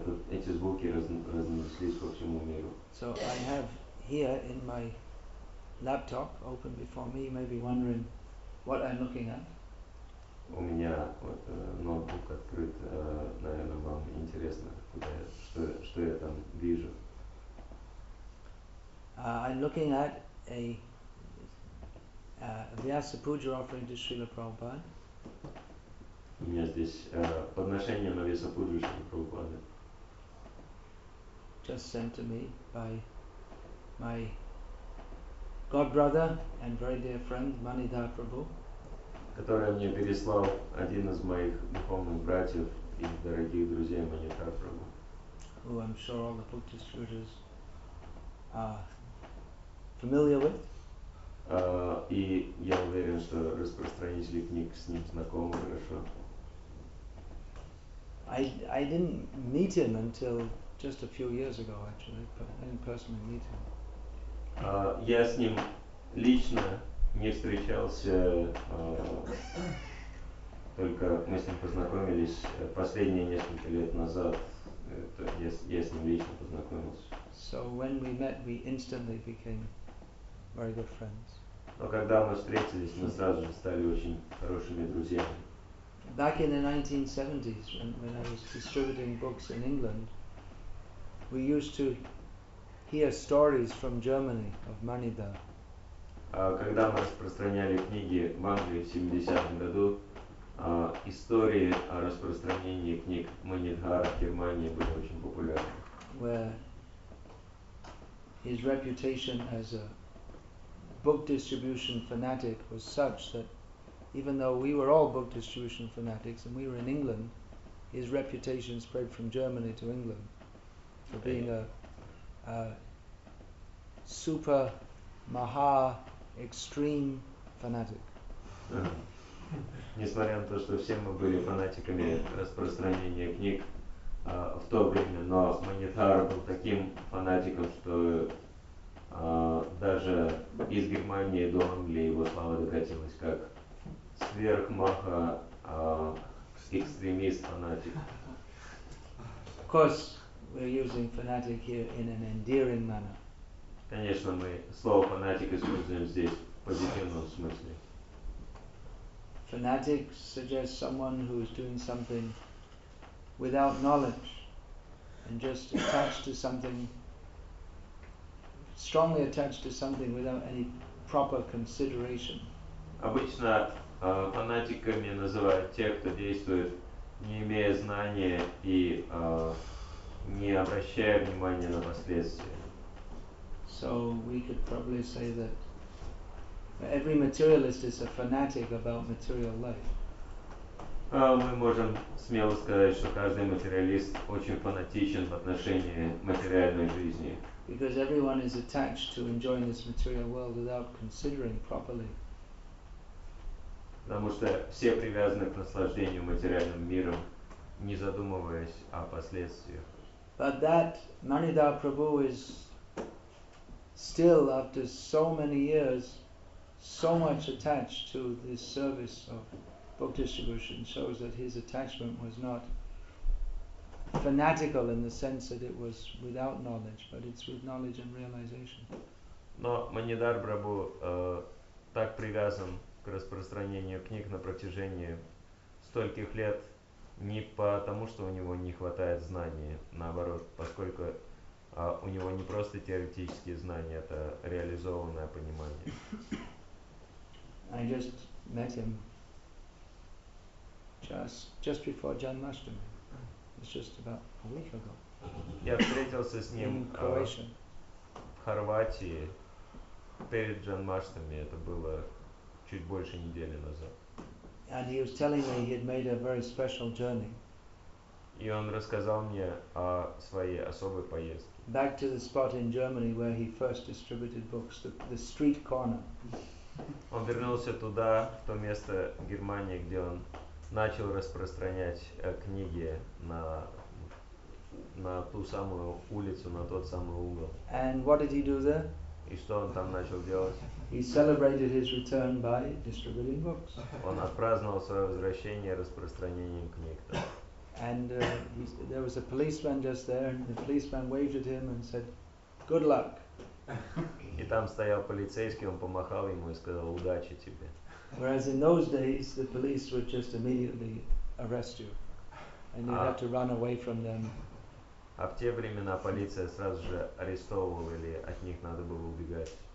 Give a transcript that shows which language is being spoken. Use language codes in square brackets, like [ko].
[ru] Эти звуки разнеслись по всему миру. [en] So I have here in my laptop open before me, you may be wondering what I'm looking at. [ru] У меня вот ноутбук открыт, наверное, вам интересно, куда я, что я там вижу. [en] I'm looking at a Vyasa Puja offering to Srila Prabhupada. [ru] У меня здесь подношение на Vyasa Puja Srila Prabhupada. [en] Just sent to me by my godbrother and very dear friend Manidhar Prabhu. [ru] Которое мне переслал один из моих духовных братьев, и дорогих друзей Манипрабху. [en] Who I'm sure all the book distributors are familiar with. [ru] И я уверен, что распространители книг с ним знакомы хорошо. [en] I didn't meet him until just a few years ago, actually, but I didn't personally meet him. [ru] Я с ним лично не встречался, только мы с ним познакомились последние несколько лет назад. Я с ним лично познакомился. [en] So when we met, we instantly became very good friends. [ru] Но когда мы встретились, мы сразу же стали очень хорошими друзьями. [en] Back in the 1970s, when I was distributing books in England, we used to hear stories from Germany of Manidhar. [ru] Когда мы распространяли книги в Англии в 70-м году, истории о распространении книг Манидхара в Германии были очень популярны. [en] Where his reputation as a book distribution fanatic was such that even though we were all book distribution fanatics and we were in England, his reputation spread from Germany to England for being a super maha extreme fanatic. [ru] Несмотря на то, что все мы были фанатиками распространения книг в то время, но Манидхар был таким фанатиком, что даже из Германии до Англии его слава докатилась как сверхмаха экстремист фанатик. [en] Of course, we're using fanatic here in an endearing manner. [ru] Конечно, мы слово фанатик используем здесь в позитивном смысле. [en] Fanatic suggests someone who is doing something without knowledge and just attached to something, strongly attached to something without any proper consideration. [ru] Обычно фанатиками называют тех, кто действует, не имея знания и не обращая внимания на последствия. [en] So we could probably say that every materialist is a fanatic about material life. [ru] Мы можем смело сказать, что каждый материалист очень фанатичен в отношении материальной жизни. [en] Because everyone is attached to enjoying this material world without considering properly. [ru] Потому что все привязаны к наслаждению материальным миром, не задумываясь о последствиях. [en] But that Manidhar Prabhu is still, after so many years, so much attached to this service of book distribution shows that his attachment was not fanatical in the sense that it was without knowledge, but it's with knowledge and realization. [ru] Но Манидхар Прабху так привязан к распространению книг на протяжении стольких лет не потому, что у него не хватает знаний, наоборот, поскольку у него не просто теоретические знания, это реализованное понимание. [en] I just met him just before Janmashtami. It's just about a week ago. [ru] Я встретился с ним в Хорватии перед Джанмаштами. Это было чуть больше недели назад. [en] And he was telling me he had made a very special journey. [ru] И он рассказал мне о своей особой поездке. [en] Back to the spot in Germany where he first distributed books, the street corner. [ru] Он вернулся туда, в то место Германии, где он начал распространять книги на ту самую улицу, на тот самый угол. [en] And what did he do there? [ru] И что он там начал делать? [en] He celebrated his return by distributing books. [ru] Он отпраздновал свое возвращение распространением книг. [en] And there was a policeman just there, and the policeman waved at him and said, "Good luck." [ru] И там стоял полицейский, он помахал ему и сказал: "Удачи тебе." [en] Whereas in those days the police would just immediately arrest you, and you had to run away from them. [ru] А в те времена полиция сразу же арестовывала, или от них надо было убегать.